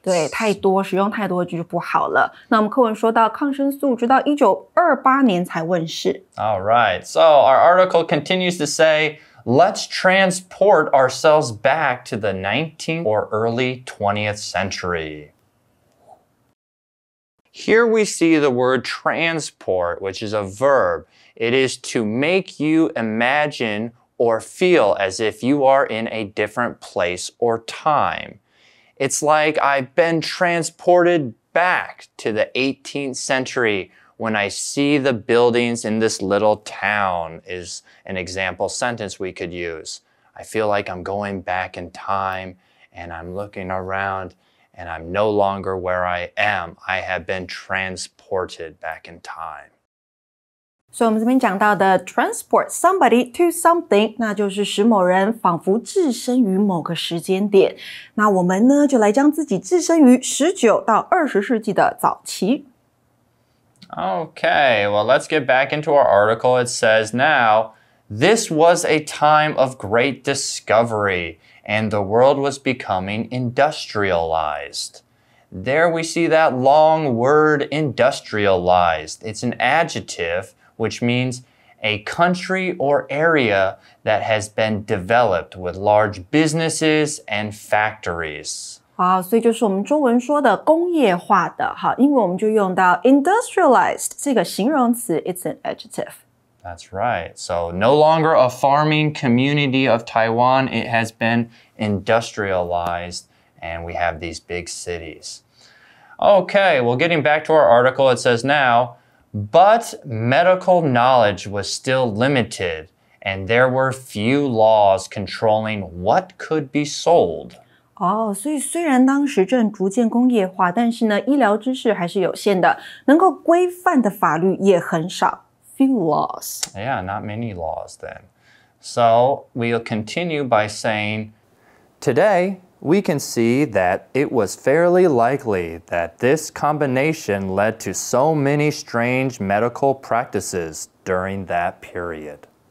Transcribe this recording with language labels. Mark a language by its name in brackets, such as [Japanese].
[Chinese] 对，太多，使用太多就不好了。那我们课文说到抗生素直到1928年才问世。 [English] All right, so our article continues to say,Let's transport ourselves back to the 19th or early 20th century. Here we see the word transport, which is a verb. It is to make you imagine or feel as if you are in a different place or time. It's like I've been transported back to the 18th century. When I see the buildings in this little town is an example sentence we could use. I feel like I'm going back in time and I'm looking around and I'm no longer where I am. I have been transported back in time. [Chinese] 所以我们这边讲到的 [English] transport somebody to something, [Chinese] 那就是使某人仿佛置身于某个时间点。那我们呢就来将自己置身于19到20世纪的早期。 [English] Okay, well, let's get back into our article. It says now, this was a time of great discovery, and the world was becoming industrialized. There we see that long word, industrialized. It's an adjective, which means a country or area that has been developed with large businesses and factories. [Chinese] 好，所以就是我们中文说的工业化的。好，英文我们就用到 industrialized 这个形容词 ， [English] it's an adjective. That's right. So no longer a farming community of Taiwan, it has been industrialized, and we have these big cities. Okay, well, getting back to our article, it says now, but medical knowledge was still limited, and there were few laws controlling what could be sold. [Chinese] 哦、oh, ，所以虽然当时正逐渐工业化，但是呢，医疗知识还是有限的，能够规范的法律也很少。 [English] Few laws. Yeah, not many laws then. So we'll continue by saying, today we can see that it was fairly likely that this combination led to so many strange medical practices during that period.